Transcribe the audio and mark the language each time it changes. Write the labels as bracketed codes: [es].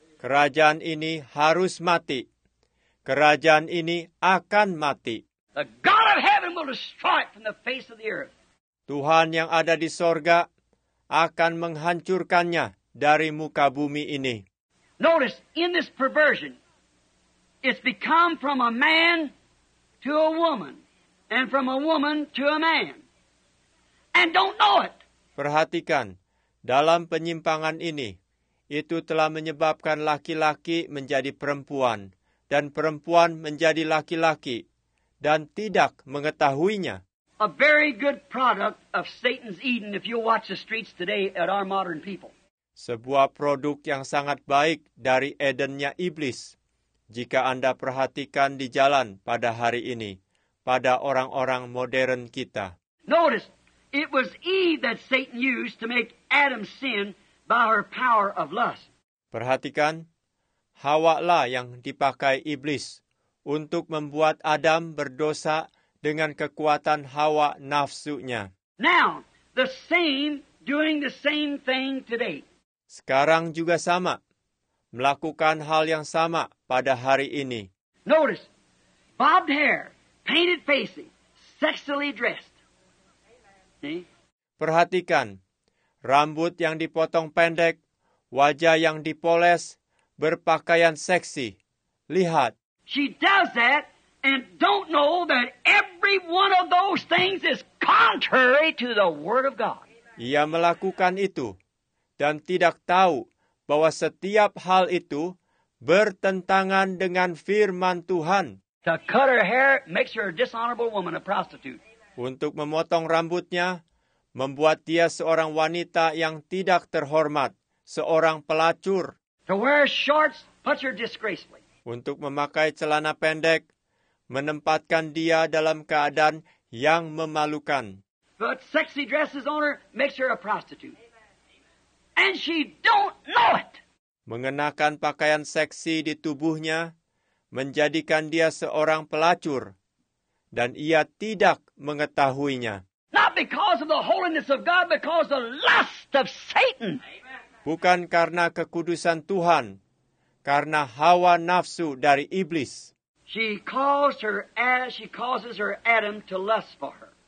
[id] Kerajaan ini harus mati. Kerajaan ini akan mati. [en] The God of heaven will destroy it from the face of the earth. [id] Tuhan yang ada di sorga akan menghancurkannya dari muka bumi ini. [en] Notice in this perversion, it's become from a man to a woman, and from a woman to a man, and don't know it. [id] Perhatikan, dalam penyimpangan ini, itu telah menyebabkan laki-laki menjadi perempuan, dan perempuan menjadi laki-laki, dan tidak mengetahuinya. [en] A very good product of Satan's Eden, if you watch the streets today at our modern people. [id] Sebuah produk yang sangat baik dari Edennya iblis. Jika Anda perhatikan di jalan pada hari ini, pada orang-orang modern kita. [en] Notice, it was Eve that Satan used to make Adam sin by her power of lust. [id] Perhatikan, Hawa-lah yang dipakai iblis untuk membuat Adam berdosa dengan kekuatan hawa nafsunya. [en] Now, the same doing the same thing today. [id] Sekarang juga sama. Melakukan hal yang sama pada hari ini. [en] Notice, bobbed hair, painted facing, sexually dressed. See? [id] Perhatikan, rambut yang dipotong pendek, wajah yang dipoles, berpakaian seksi. Lihat. [en] She does that and don't know that every every one of those things is contrary to the word of God. [id] Ia melakukan itu dan tidak tahu bahwa setiap hal itu bertentangan dengan firman Tuhan. [en] To cut her hair makes her a dishonorable woman, a prostitute. [id] Untuk memotong rambutnya membuat dia seorang wanita yang tidak terhormat, seorang pelacur. [en] To wear shorts puts her disgracefully. [id] Untuk memakai celana pendek menempatkan dia dalam keadaan yang memalukan. [en] But sexy dresses on her makes her a prostitute. And she don't know it. [id] Mengenakan pakaian seksi di tubuhnya menjadikan dia seorang pelacur dan ia tidak mengetahuinya. [en] Not because of the holiness of God, because the lust of Satan. [id] Bukan karena kekudusan Tuhan, karena hawa nafsu dari iblis. [en] She caused her as she causes her Adam to lust for her.